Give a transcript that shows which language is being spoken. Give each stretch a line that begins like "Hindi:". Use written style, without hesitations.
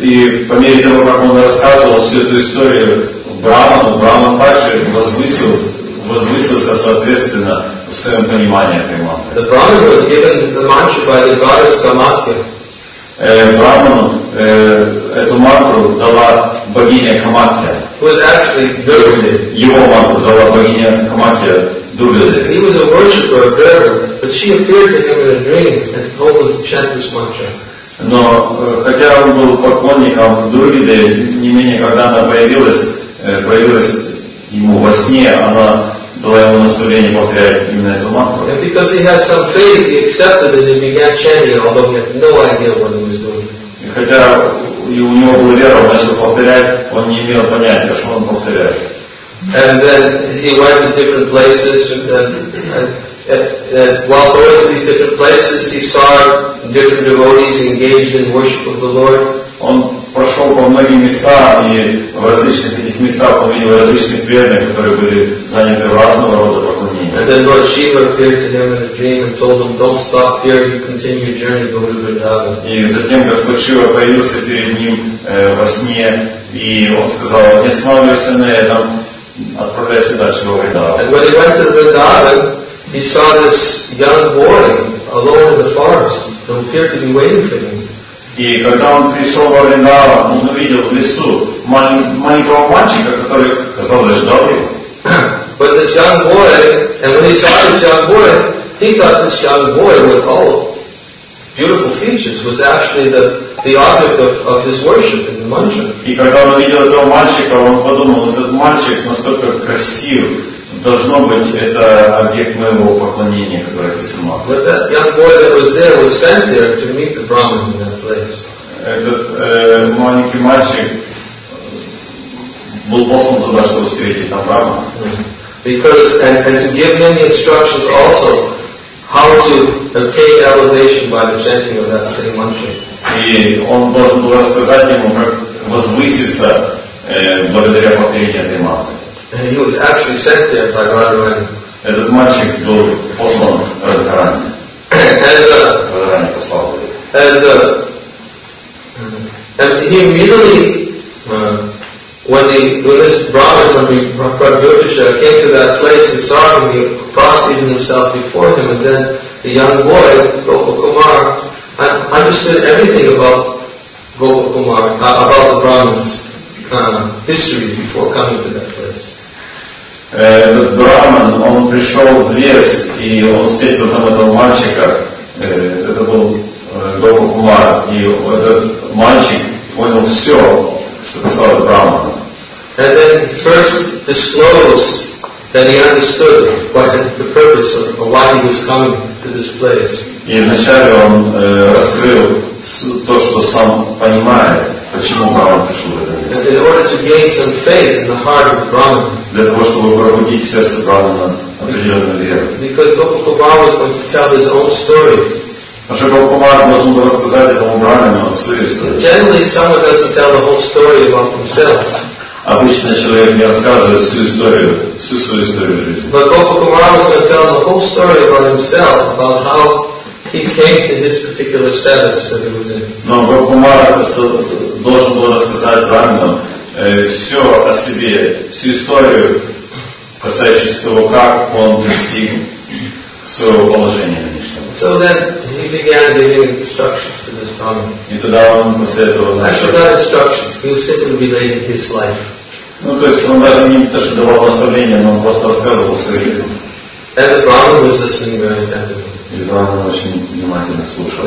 Russian: И по мере того, как он рассказывал всю эту историю Брахману, Брахман также возвысился соответственно в своем понимании этой мантры.
English: The Brahmana was given the mantra by the goddess Kamakya.
Russian: Брахману эту мантру дала богиня Камакья.
English: Was actually Durvadevi.
Russian: Его мантру дала богиня Камакья Дурвадеви.
English: He was a worshipper of Durva, but she appeared to him in a dream and told him to chant this mantra.
Russian: Но хотя он был поклонником Дурвадеви, не менее когда она появилась ему во сне, она было ему наставление повторять именно эту мантру.
English: And because he had some faith, he accepted it and began chanting, although he had no idea what he was doing.
Russian: И хотя и у него была вера, он начал повторять, он не имел понятия, что он повторяет.
English: And then he went to different places, and while going to these different places, he saw different devotees engaged in worship of the Lord.
Russian: Он прошел по многим местам и в различных этих местах увидел различных преданных, которые были заняты разного рода поклонением.
English: And then Lord Shiva appeared to him in a dream and told him, "Don't stop here; you continue your journey to Vrindavan."
Russian: И затем Господь Шива появился перед ним во сне, и он сказал: "Не останавливайся на этом." Отправляйся дальше во Вриндаван.
English: And when he went to Vrindavan, he saw this young boy alone in the forest who appeared to be waiting for him.
Russian: И когда он пришел во Вриндаван, он увидел в лесу маленького мальчика, который, казалось, ждал его.
English: But this young boy, and when he saw this young boy, he thought this young boy with all beautiful features was actually the object of his worship in the mansion.
Russian: И когда он увидел этого мальчика, он подумал, этот мальчик настолько красив, должно быть, это объект моего поклонения, который ты сама.
English: But that young boy that was there was sent there to meet the Brahmin in that place.
Russian: Этот маленький мальчик был послан туда, чтобы встретить там Брахмана.
English: Because and to give him the instructions also how to obtain elevation by the chanting of that same mantra.
Russian: И он должен был рассказать ему, как возвыситься благодаря повторению этой мантры.
English: He was actually sent there by Radharani.
Russian: Этот мальчик был послан Радхарани. Радхарани послал его.
English: And he immediately when this Brahmin, when Prabhupada came to that place and saw him, he prostrated himself before him, and then the young boy, Gopa Kumar, understood everything about Gopa Kumar, about the Brahmin's history before coming to that place. The Brahmin,
Russian: он пришел в лес, и он встретил там этого мальчика, это был Гопа Кумар, и этот мальчик понял все, что касалось Брахмана.
English: And then first disclosed that he understood what the purpose of why he was coming to this place.
Russian: И вначале он раскрыл то, что сам понимает, почему Брахман пришел в это место.
English: That in order to gain some faith in the heart of Brahman.
Russian: Для того, чтобы пробудить в сердце Брахмана определенную веру.
English: Because Gopa Kumar was going to tell his own story.
Russian: А что Гопа Кумар должен был рассказать этому Брахману свою историю?
English: Generally, someone doesn't tell the whole story about themselves.
Russian: Обычно человек не рассказывает всю свою историю жизни.
English: But Gopa Kumar was going to tell the whole story about himself, about how he came to this particular status that he was in.
Russian: Но Гопа Кумар должен был рассказать Брахману все о себе, всю историю, касающуюся того, как он достиг своего положения нынешнего.
English: So then he began giving instructions to this Brahman.
Russian: И тогда он после этого начал.
English: Actually, not instructions. He was simply relating his life.
Russian: Ну, то есть он даже не то, что давал наставления, но он просто рассказывал свою жизнь.
English: And the Brahman was listening very attentively.
Russian: И Брахман очень внимательно слушал.